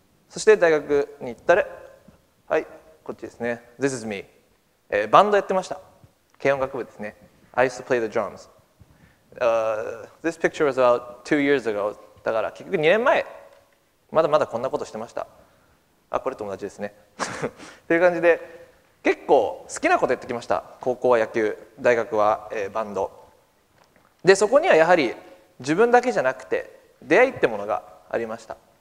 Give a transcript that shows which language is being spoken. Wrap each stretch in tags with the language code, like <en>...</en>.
<ja>そして大学に行ったら、はい、こっちですね。</ja> <en>This is me.、</en> <ja>バンドやってました。軽音楽部ですね。</ja> <en>I used to play the drums.、this picture was about 2 years ago.</en> <ja>だから結局2年前、まだまだこんなことしてました。あ、これ友達ですね。っていう感じで、結構好きなことやってきました。高校は野球、大学は、バンド。で、そこにはやはり自分だけじゃなくて出会いってものがありました。</ja>